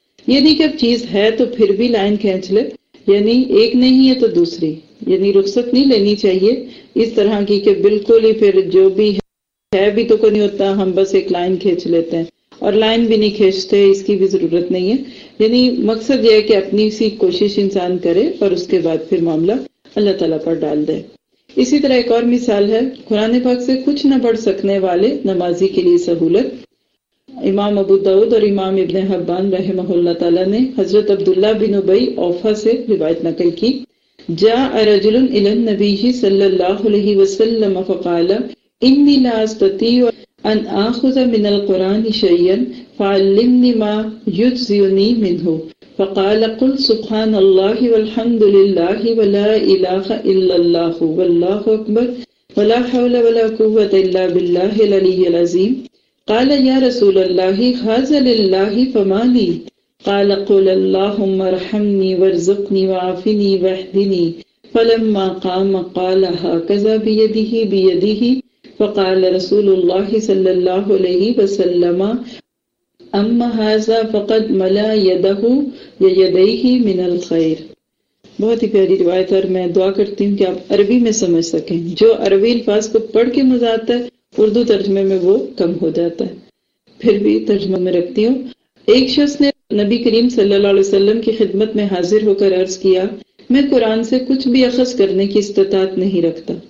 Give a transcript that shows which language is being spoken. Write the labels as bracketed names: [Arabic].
[Urdu] یعنی کہ اب چیز ہے تو پھر بھی لائن کھینچ لے، یعنی ایک نہیں ہے تو دوسری، یعنی رخصت نہیں لینی چاہیے اس طرح کی کہ بالکل ہی پھر جو بھی ہے بھی تو کوئی نہیں ہوتا، ہم بس ایک لائن کھینچ لیتے ہیں اور لائن بھی نہیں کھینچتے، اس کی بھی ضرورت نہیں ہے. یعنی مقصد یہ ہے کہ اپنی سی کوشش انسان کرے اور اس کے بعد پھر معاملہ اللہ تعالیٰ پر ڈال دے. اسی طرح ایک اور مثال ہے قرآن پاک سے کچھ نہ پڑھ سکنے والے نمازی کے لیے سہولت. امام ابو داؤد اور امام ابن حبان رحمہ اللہ تعالیٰ نے حضرت عبداللہ بن ابی اوفا سے روایت نقل کی، [Arabic] جاء رجل الى النبي صلى الله عليه وسلم فقال اني لا استطيع ان اخذ من القران شيئا فعلمني ما يجزيني منه فقال قل سبحان الله والحمد لله ولا اله الا الله والله اكبر ولا حول ولا قوه الا بالله العلي العظيم قال يا رسول الله هذا لله فما لي قال قل اللهم ارحمني وارزقني وعافني واهدني فلما قام قال هكذا بيده فقال رسول الله صلى الله عليه وسلم اما هذا فقد ملا يده يديه من الخير. [Urdu] بہت ہی پیاری روایت ہے اور میں دعا کرتی ہوں کہ آپ عربی میں سمجھ سکیں، جو عربی الفاظ کو پڑھ کے مزہ آتا ہے اردو ترجمے میں وہ کم ہو جاتا ہے، پھر بھی ترجمہ میں رکھتی ہوں. ایک شخص نے نبی کریم صلی اللہ علیہ وسلم کی خدمت میں حاضر ہو کر عرض کیا، میں قرآن سے کچھ بھی اخذ کرنے کی استطاعت نہیں رکھتا.